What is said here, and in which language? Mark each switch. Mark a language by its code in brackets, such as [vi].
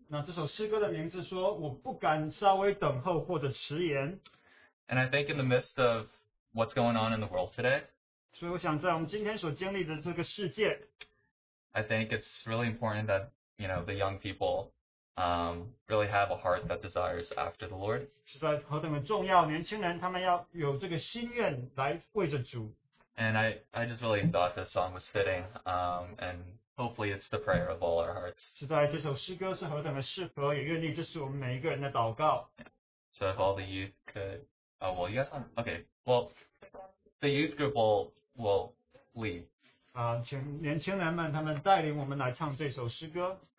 [zh] 那这首诗歌的名字说，我不敢稍微等候或者迟延。 [en] And I think in the midst of what's going on in the world today. [zh] 所以我想在我们今天所经历的这个世界。 [en] I think it's really important that, you know, the young people really have a heart that desires after the Lord. [zh] 实在何等的重要，年轻人他们要有这个心愿来为着主。 [en] And I just really thought this song was fitting, and hopefully it's the prayer of all our hearts. [zh] 实在这首诗歌是何等的适合，也愿意这是我们每一个人的祷告。 [en] So if all the youth could, well, you guys are, okay, well, the youth group will lead. [zh] 请年轻人们他们带领我们来唱这首诗歌。